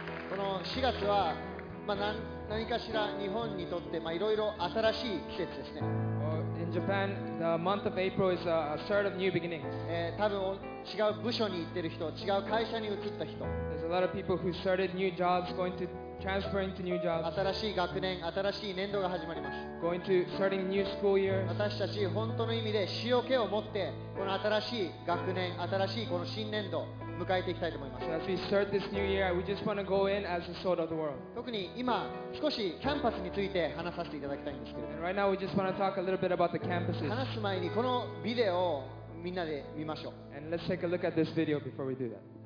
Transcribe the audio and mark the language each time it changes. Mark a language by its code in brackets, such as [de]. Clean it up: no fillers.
[ja] この4月は、何かしら日本にとって、いろいろ新しい季節ですね。 [en] In Japan, the month of April is a start of new beginnings. [ja] 多分違う部署に行ってる人、違う会社に移った人。 [en] There's a lot of people who started new jobs going to transferring to new jobs. [ja] 新しい学年、新しい年度が始まります。 [en] Going to starting new school year. [ja] 私たち本当の意味で塩気を持ってこの新しい学年、新しいこの新年度。迎えていきたいと思います。 [en] As we start this new year, we just want to go in as the salt of the world. [ja] 特に今少しキャンパスについて話させていただきたいんですけど。 [en] And right now we just want to talk a little bit about the campuses. [ja] 話す前にこのビデオをみんなで見ましょう。 [en] And let's take a look at this video before we do that.